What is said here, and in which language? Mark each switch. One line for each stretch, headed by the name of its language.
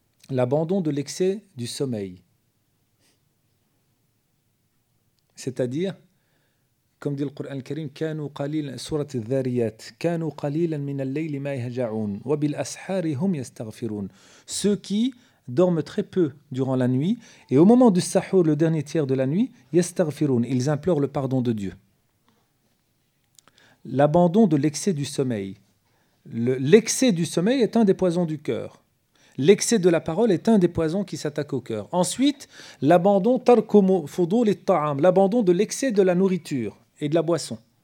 French: L'abandon de l'excès du sommeil. C'est-à-dire, comme dit le Coran al-Karim, sourate Dhariyat,
Arabic: كانوا قليلا من الليل ما يهجعون وبالأسحار هم يستغفرون.
French: Ceux qui dorment très peu durant la nuit et au moment du sahur, le dernier tiers de la nuit, yastaghfirun, ils implorent le pardon de Dieu. L'abandon de l'excès du sommeil. L'excès du sommeil est un des poisons du cœur. L'excès de la parole est un des poisons qui s'attaque au cœur. Ensuite, l'abandon tarkumu fudul at-ta'am, l'abandon de l'excès de la nourriture et de la boisson.